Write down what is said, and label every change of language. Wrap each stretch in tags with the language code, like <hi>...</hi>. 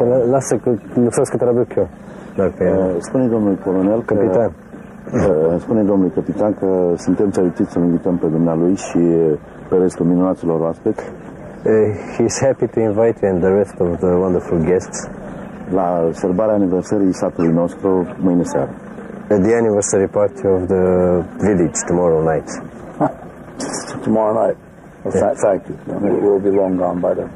<ro>Lasă că lucrez cât trebuie eu. Spune domnului colonel că... Capitan. Spune domnului capitan că suntem fericiți să-l invităm pe dumnealui și pe restul minunaților oaspeți.</ro> <en>He's happy to invite you and the rest of the wonderful guests.</en> <ro>La sărbarea aniversării satului nostru mâine seară.</ro> <en>At the anniversary party of the village tomorrow night. Tomorrow night. Well, yeah. Thank you. I mean, it will be long gone by then.</en>